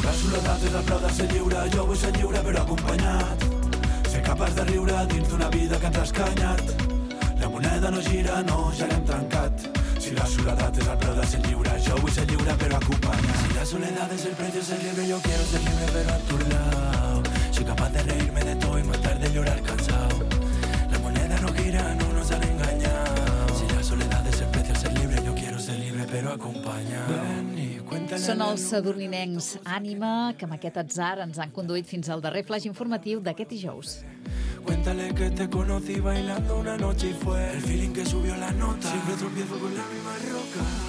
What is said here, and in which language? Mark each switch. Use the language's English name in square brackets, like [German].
[Catalan] La soledat és el plau de ser lliure, jo vull ser lliure però acompanyat. Ser capaç de riure dins d'una vida que ens ha escanyat. La moneda no gira, no, ja l'hem trencat. Si la soledat és el preu de ser lliure, jo vull ser lliure però acompanyat. Si la soledat és el preu de ser lliure, [Spanish] yo quiero [Catalan] ser lliure però [Spanish] a tu lado. Soy capaz de reírme de todo y matar de llorar cansado. La moneda no gira, no nos han engañado. Si la soledad es el precio ser libre, yo quiero ser libre, pero acompañado. [Catalan] Són els sadorninencs Ànima, que amb aquest atzar ens han conduït fins al darrer flash informatiu d'aquest dijous. [Spanish] Cuéntale que te conocí bailando una noche y fue el feeling que subió la nota. Siempre tropiezo con la misma roca.